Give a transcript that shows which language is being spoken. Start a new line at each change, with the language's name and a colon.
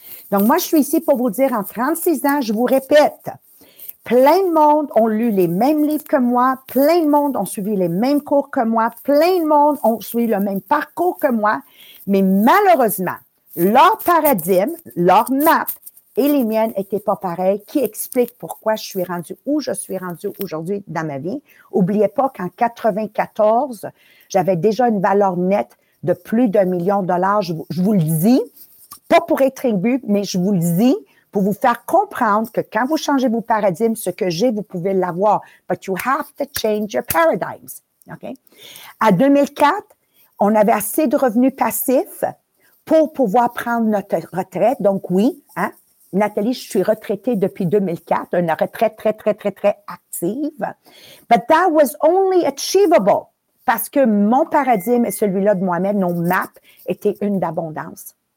French: Donc, moi, je suis ici pour vous dire, en 36 ans, je vous répète, plein de monde ont lu les mêmes livres que moi, plein de monde ont suivi les mêmes cours que moi, plein de monde ont suivi le même parcours que moi, mais malheureusement, leur paradigme, leur map, et les miennes n'étaient pas pareilles, qui explique pourquoi je suis rendue où je suis rendue aujourd'hui dans ma vie. N'oubliez pas qu'en 94, j'avais déjà une valeur nette de plus d'1 million de dollars. Je vous le dis, pas pour être imbue, mais je vous le dis pour vous faire comprendre que quand vous changez vos paradigmes, ce que j'ai, vous pouvez l'avoir.
English: But you have to change your paradigms. Okay?
French: À 2004, on avait assez de revenus passifs pour pouvoir prendre notre retraite. Donc oui, hein? Nathalie, je suis retraitée depuis 2004, une retraite très, très, très, très active.
English: But that was only achievable
French: parce que mon paradigme et celui-là de moi-même, nos maps, étaient une d'abondance.